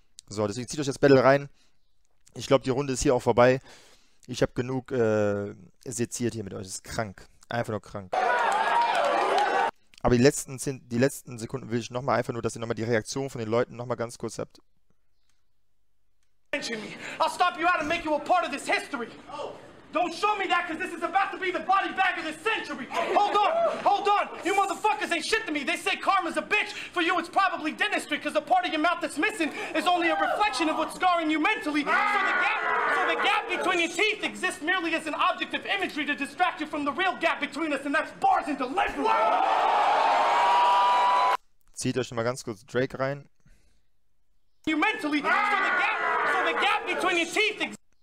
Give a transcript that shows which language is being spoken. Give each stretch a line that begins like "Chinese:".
German: So, deswegen zieht euch das Battle rein. Ich glaube, die Runde ist hier auch vorbei. Ich habe genug seziert hier mit euch. Das ist krank. Einfach nur krank. Aber die letzten Sekunden will ich nochmal einfach nur, dass ihr nochmal die Reaktion von den Leuten nochmal ganz kurz habt.
English: I'll stop you out and make you a part of this history. Don't show me that, because this is about to be the body bag of the century. Hold on, hold on. You motherfuckers ain't shit to me. They say karma's a bitch. For you, it's probably dentistry, because the part of your mouth that's missing is only a reflection of what's scarring you mentally. So the gap between your teeth exists merely as an object of imagery to distract you from the real gap between us, and that's bars and delivery.
German: Zieht euch mal ganz kurz Drake rein.
English: You mentally. So the gap between your teeth exists.